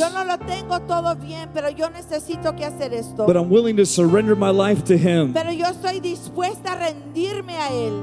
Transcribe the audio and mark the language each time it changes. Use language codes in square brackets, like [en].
[es] Yo no lo tengo todo bien, pero yo necesito que hacer esto. [en] But I'm willing to surrender my life to Him. [es] Pero yo estoy dispuesta a rendirme a Él.